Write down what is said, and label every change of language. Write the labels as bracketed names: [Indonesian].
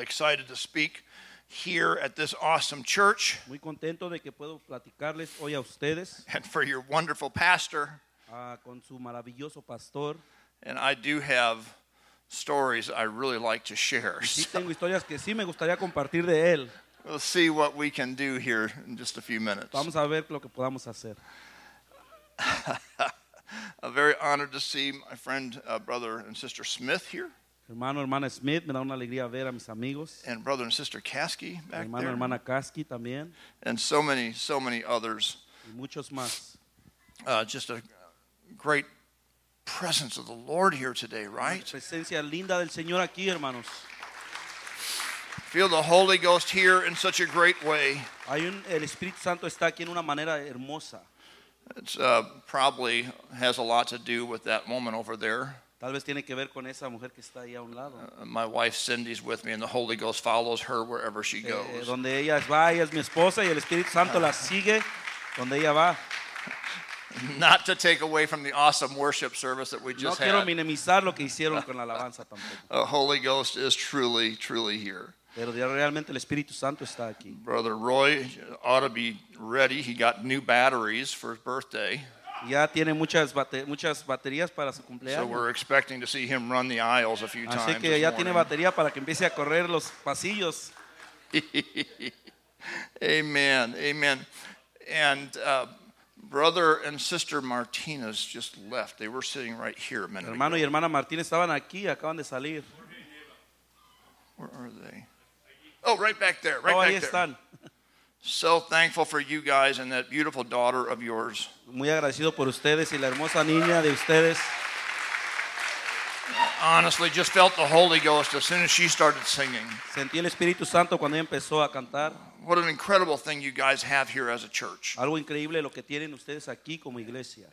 [English] Excited to speak here at this awesome church. [Spanish] Muy contento de que puedo platicarles hoy a ustedes. [English] And for your wonderful pastor. [Spanish] Con su maravilloso pastor. [English] And I do have stories I really like to share. [Spanish] Sí, tengo historias que sí me gustaría compartir de él. [English] We'll see what we can do here in just a few minutes. [Spanish] Vamos a ver lo que podamos hacer. [English] I'm very honored to see my friend, brother and sister Smith here. [Spanish] Hermano, hermana Smith, me da una alegría ver a mis amigos. [English] And brother and sister Kasky back [Spanish] hermano, [English] there. [Spanish] Hermana Kasky también. [English] And so many others. [Spanish] Y muchos más. [English] Just a great presence of the Lord here today, right? [Spanish] Presencia linda del Señor aquí, hermanos. [English] Feel the Holy Ghost here in such a great way. [Spanish] El Espíritu Santo está aquí en una manera hermosa. [English] It's probably has a lot to do with that woman over there. [Spanish] Tal vez tiene que ver con esa mujer que está ahí a un lado. [English] My wife Cindy's with me, and the Holy Ghost follows her wherever she goes. [Spanish] Donde ella va, ella es mi esposa, y el Espíritu Santo la sigue donde ella va. [English] Not to take away from the awesome worship service that we just had. [Spanish] No quiero minimizar lo que hicieron con la alabanza tampoco. [English] The Holy Ghost is truly, truly here. [Spanish] Pero realmente el Espíritu Santo está aquí. [English] Brother Roy ought to be ready. He got new batteries for his birthday. [Spanish] Ya tiene muchas baterías para su cumpleaños. [English] So we're expecting to see him run the aisles a few times. [Spanish] Así que ya tiene batería para que empiece a correr los pasillos. [English] Amen, amen. And brother and sister Martinez just left. They were sitting right here a minute ago. [Spanish] Hermano y hermana Martinez estaban aquí, acaban de salir. [English] Where are they? Oh, right back there, right oh, back [Spanish] ahí están. [English] There. So thankful for you guys and that beautiful daughter of yours. [Spanish] Muy agradecido por ustedes y la hermosa niña de ustedes. [English] Honestly, just felt the Holy Ghost as soon as she started singing. [Spanish] Sentí el Espíritu Santo cuando ella empezó a cantar. [English] What an incredible thing you guys have here as a church. [Spanish] Algo increíble lo que tienen ustedes aquí como iglesia.